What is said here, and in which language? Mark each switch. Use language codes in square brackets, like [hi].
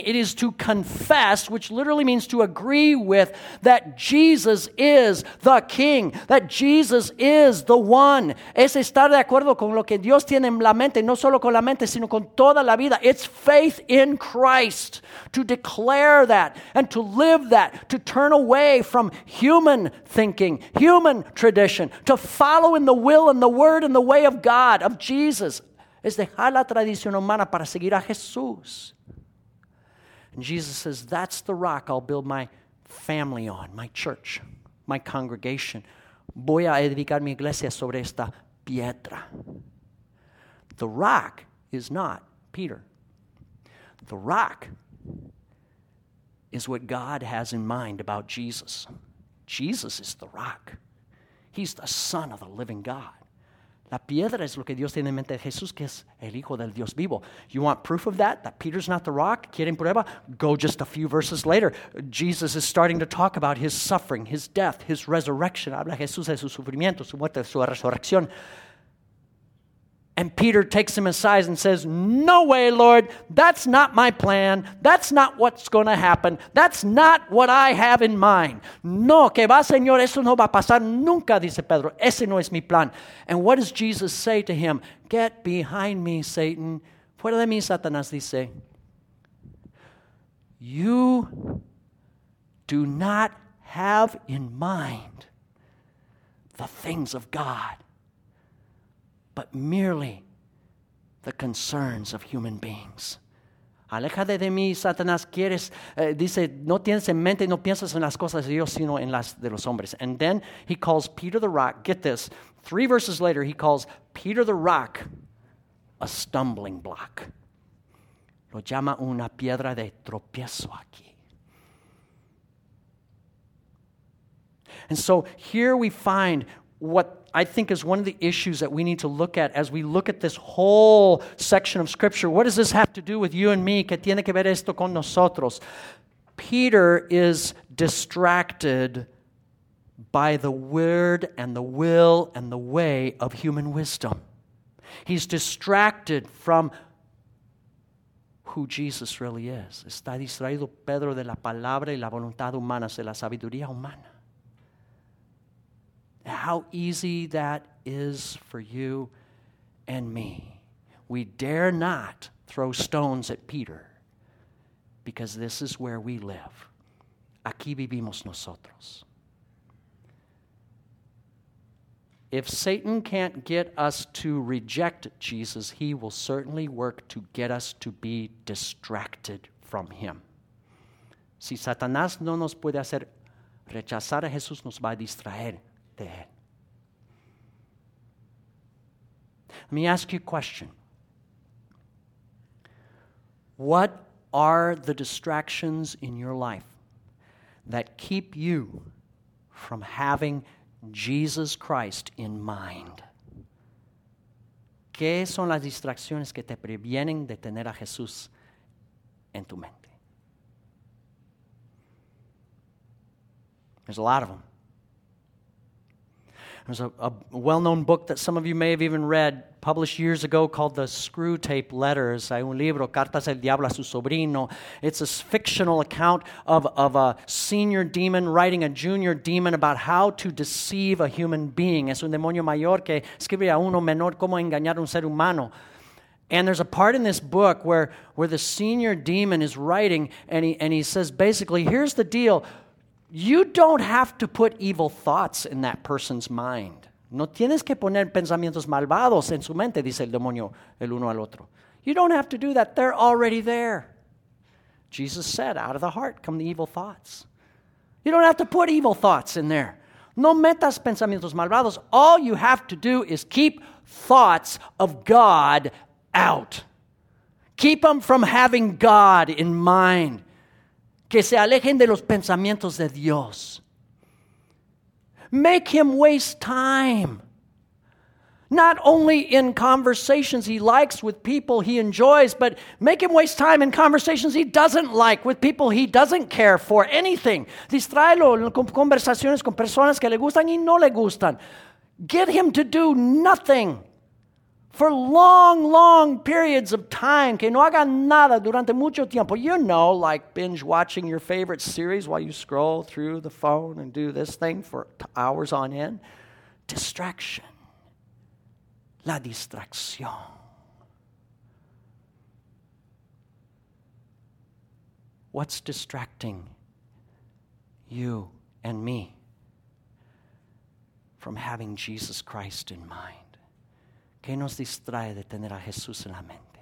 [en] It is to confess, which literally means to agree with, that Jesus is the King, that Jesus is the one. [es] Es estar de acuerdo con lo que Dios tiene en la mente, no solo con la mente, sino con toda la vida. [en] It's faith in Christ, to declare that and to live that, to turn away from human thinking, human tradition, to follow in the will and the word and the way of God, of Jesus. [es] Es dejar la tradición humana para seguir a Jesús. [en] And Jesus says, that's the rock I'll build my family on, my church, my congregation. [es] Voy a edificar mi iglesia sobre esta piedra. [en] The rock is not Peter. The rock is what God has in mind about Jesus. Jesus is the rock. He's the Son of the living God. [es] La piedra es lo que Dios tiene en mente de Jesús, que es el Hijo del Dios vivo. [en] You want proof of that, that Peter's not the rock? [es] ¿Quieren prueba? [en] Go just a few verses later. Jesus is starting to talk about his suffering, his death, his resurrection. [es] Habla Jesús de su sufrimiento, su muerte, su resurrección. [en] And Peter takes him aside and says, no way, Lord, that's not my plan. That's not what's going to happen. That's not what I have in mind. [es] No, que va, Señor, eso no va a pasar nunca, dice Pedro. Ese no es mi plan. [en] And what does Jesus say to him? Get behind me, Satan. [es] Fuera de mí, Satanás, dice. [en] You do not have in mind the things of God, but merely the concerns of human beings. [es] Aléjate de mí, Satanás. Quieres, dice, no tienes en mente, no piensas en las cosas de Dios, sino en las de los hombres. [en] And then he calls Peter the rock. Get this. 3 verses later, he calls Peter the rock a stumbling block. [es] Lo llama una piedra de tropiezo aquí. [en] And so here we find what I think is one of the issues that we need to look at as we look at this whole section of Scripture. What does this have to do with you and me? [es] ¿Qué tiene que ver esto con nosotros? [en] Peter is distracted by the word and the will and the way of human wisdom. He's distracted from who Jesus really is. [es] Está distraído Pedro de la palabra y la voluntad humana, de la sabiduría humana. [en] How easy that is for you and me. We dare not throw stones at Peter because this is where we live. [es] Aquí vivimos nosotros. [en] If Satan can't get us to reject Jesus, he will certainly work to get us to be distracted from him. [es] Si Satanás no nos puede hacer rechazar a Jesús, nos va a distraer de él. [en] Let me ask you a question. What are the distractions in your life that keep you from having Jesus Christ in mind? [es] ¿Qué son las distracciones que te previenen de tener a Jesús en tu mente? [en] There's a lot of them. There's a well-known book that some of you may have even read, published years ago, called The Screwtape Letters. [es] Hay un libro, Cartas del Diablo a su Sobrino. [en] It's a fictional account of a senior demon writing a junior demon about how to deceive a human being. [es] Es un demonio mayor que escribe a uno menor cómo engañar a un ser humano. [en] And there's a part in this book where the senior demon is writing, and he says, basically, here's the deal. You don't have to put evil thoughts in that person's mind. [es] No tienes que poner pensamientos malvados en su mente, dice el demonio el uno al otro. [en] You don't have to do that. They're already there. Jesus said, out of the heart come the evil thoughts. You don't have to put evil thoughts in there. [es] No metas pensamientos malvados. [en] All you have to do is keep thoughts of God out. Keep them from having God in mind. [es] Que se alejen de los pensamientos de Dios. [en] Make him waste time. not only in conversations he likes with people he enjoys, but make him waste time in conversations he doesn't like with people he doesn't care for anything. [es] Distráelo en conversaciones con personas que le gustan y no le gustan. [en] Get him to do nothing for long, long periods of time. [es] Que no haga nada durante mucho tiempo. [en] You know, like binge watching your favorite series while you scroll through the phone and do this thing for hours on end. Distraction. [es] La distracción. [en] What's distracting you and me from having Jesus Christ in mind? [es] ¿Qué nos distrae de tener a Jesús en la mente?